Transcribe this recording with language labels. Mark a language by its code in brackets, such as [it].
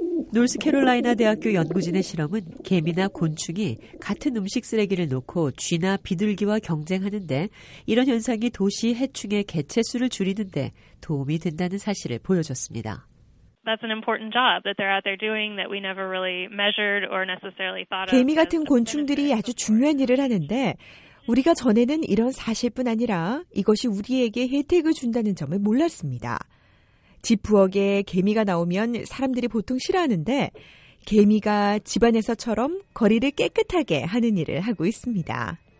[ko] 노스캐롤라이나 대학교 연구진의 실험은 개미나 곤충이 같은 음식 쓰레기를 놓고 쥐나 비둘기와 경쟁하는데 이런 현상이 도시 해충의 개체수를 줄이는 데 도움이 된다는 사실을 보여줬습니다. [en] That's an important job that they're out there doing that we never really measured or necessarily thought of. [ko] 개미 같은 곤충들이 아주 중요한 일을 하는데 우리가 전에는 이런 사실뿐 아니라 이것이 우리에게 혜택을 준다는 점을 몰랐습니다. 집부엌에 개미가 나오면 사람들이 보통 싫어하는데 개미가 집안에서처럼 거리를 깨끗하게 하는 일을 하고 있습니다.